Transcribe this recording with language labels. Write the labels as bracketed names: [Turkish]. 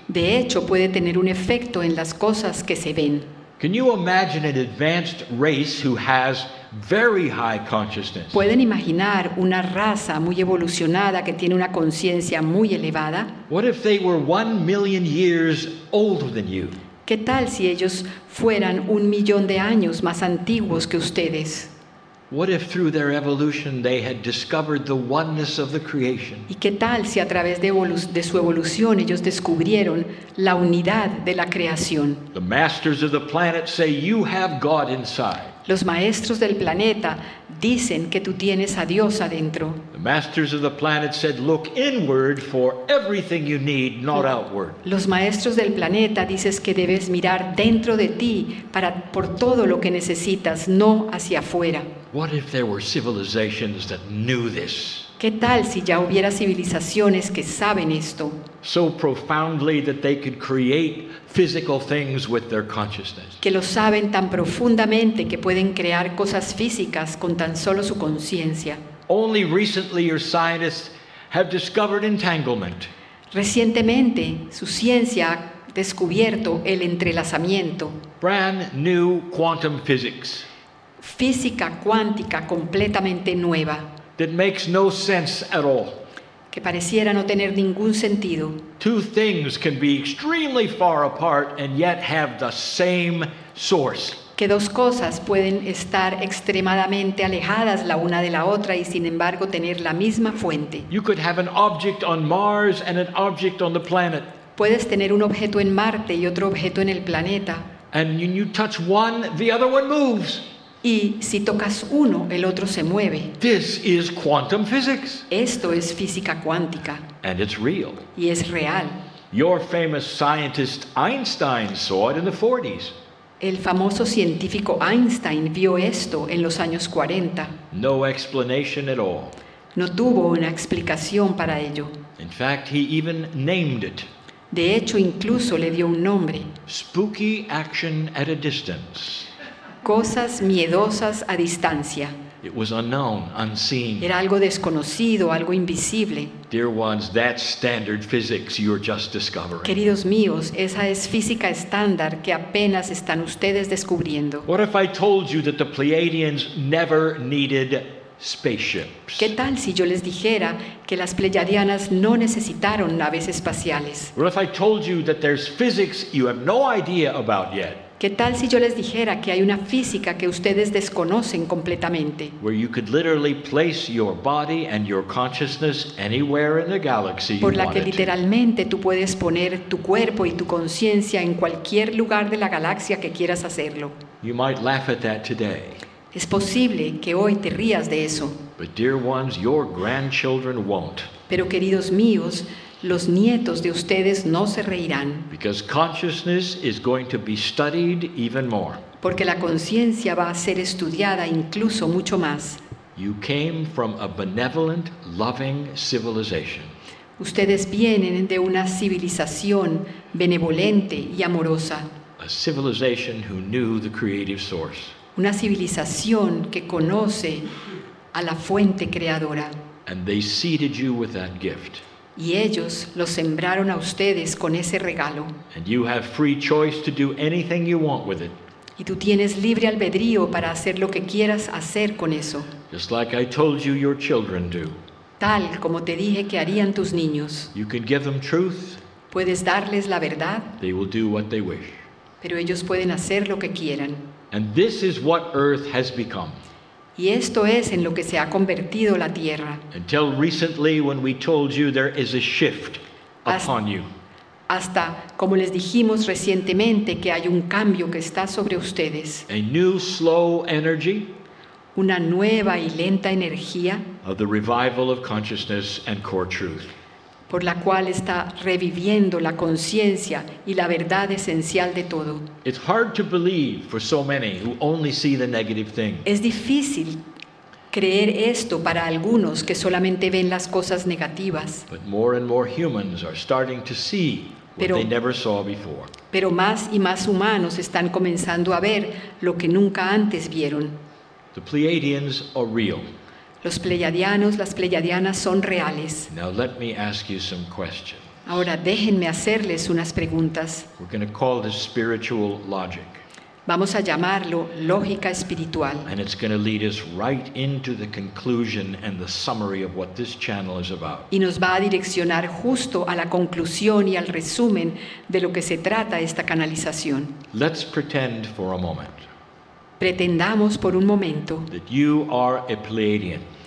[Spanish] De hecho, puede tener un efecto en las cosas que se ven. [English] Can you imagine an advanced race who has very high consciousness. [Spanish] ¿Pueden imaginar una raza muy evolucionada que tiene una conciencia muy elevada? [English] What if they were 1 million years older than you? [Spanish] ¿Qué tal si ellos fueran 1 millón de años más antiguos que ustedes? [English] What if through their evolution they had discovered the oneness of the creation? [Spanish] ¿Y qué tal si a través de su evolución ellos descubrieron la unidad de la creación? [English] The masters of the planet say you have God inside. [Spanish] Los maestros del planeta dicen que tú tienes a Dios adentro. [English] The masters of the planet said, look inward for everything you need, not outward. [Spanish] Los maestros del planeta dices que debes mirar dentro de ti para por todo lo que necesitas, no hacia afuera. [English] What if there were civilizations that knew this? [Spanish] ¿Qué tal si ya hubiera civilizaciones que saben esto? [English] So profoundly that they could create physical things with their consciousness. [Spanish] Que lo saben tan profundamente que pueden crear cosas físicas con tan solo su conciencia. [English] Only recently your scientists have discovered entanglement. [Spanish] Recientemente su ciencia ha descubierto el entrelazamiento. [English] Brand new quantum physics. [Spanish] Física cuántica completamente nueva. [English] That makes no sense at all. [Spanish] Que pareciera no tener ningún sentido. [English] Two things can be extremely far apart and yet have the same source. [Spanish] Que dos cosas pueden estar extremadamente alejadas la una de la otra y sin embargo tener la misma fuente. [English] You could have an object on Mars and an object on the planet. [Spanish] Puedes tener un objeto en Marte y otro objeto en el planeta. [English] And when you touch one, the other one moves. [Spanish] Y si tocas uno, el otro se mueve. [English] This is quantum physics. [Spanish] Esto es física cuántica. [English] And it's real. [Spanish] Y es real. [English] Your famous scientist Einstein saw it in the 40s. [Spanish] El famoso científico Einstein vio esto en los años 40. [English] No explanation at all. [Spanish] No tuvo una explicación para ello. [English] In fact, he even named it. [Spanish] De hecho, incluso le dio un nombre. [English] Spooky action at a distance. [Spanish] Cosas miedosas a distancia. [English] It was unknown, unseen. [Spanish] Era algo desconocido, algo invisible. [English] Dear ones, that's standard physics you're just discovering. [Spanish] Queridos míos, esa es física estándar que apenas están ustedes descubriendo. [English] What if I told you that the Pleiadians never needed spaceships? [Spanish] ¿Qué tal si yo les dijera que las Pleiadianas no necesitaron naves espaciales? [English] What if I told you that there's physics you have no idea about yet? [Spanish] ¿Qué tal si yo les dijera que hay una física que ustedes desconocen completamente? [English] Where you could literally place your body and your consciousness anywhere in the galaxy you want. [Spanish] Por la que literalmente tú puedes poner tu cuerpo y tu conciencia en cualquier lugar de la galaxia que quieras hacerlo. [English] You might laugh at that today. [Spanish] Es posible que hoy te rías de eso. [English] But dear ones, your grandchildren won't. [Spanish] Pero queridos míos, los nietos de ustedes no se reirán. [English] Because consciousness is going to be studied even more. [Spanish] Porque la conciencia va a ser estudiada incluso mucho más. [English] You came from a benevolent, loving civilization. [Spanish] Ustedes vienen de una civilización benevolente y amorosa. [English] A civilization who knew the creative source. [Spanish] Una civilización que conoce a la fuente creadora. [English] And they seeded you with that gift. [Spanish] Y ellos lo sembraron a ustedes con ese regalo. [English] And you have free choice to do anything you want with it. [Spanish] Y tú tienes libre albedrío para hacer lo que quieras hacer con eso. [English] Just like I told you your children do. [Spanish] Tal como te dije que harían tus niños. [English] You can give them truth. [Spanish] Puedes darles la verdad. [English] They will do what they wish. [Spanish] Pero ellos pueden hacer lo que quieran. [English] And this is what Earth has become. [Spanish] Y esto es en lo que se ha convertido la Tierra. [English] Until recently when we told you there is a shift upon you. [Spanish] Hasta como les dijimos recientemente que hay un cambio que está sobre ustedes. [English] A new slow energy. [Spanish] Una nueva y lenta energía. [English] Of the revival of consciousness and core truth. [Spanish] Por la cual está reviviendo la conciencia y la verdad esencial de todo. [English] It's hard to believe for so many who only see the negative thing. [Spanish] Es difícil creer esto para algunos que solamente ven las cosas negativas. [English] But more and more humans are starting to see what they never saw before. [Spanish] Pero más y más humanos están comenzando a ver lo que nunca antes vieron. [English] The Pleiadians are real. [Spanish] Los pleiadianos, las pleiadianas son reales. [English] Now let me ask you some questions. [Spanish] Ahora déjenme hacerles unas preguntas. [English] We're going to call this spiritual logic. [Spanish] Vamos a llamarlo lógica espiritual. [English] And it's going to lead us right into the conclusion and the summary of what this channel is about. [Spanish] Y nos va a direccionar justo a la conclusión y al resumen de lo que se trata esta canalización. [English] Let's pretend for a moment. [Spanish] Pretendamos por un momento. [English] That you are a Pleiadian.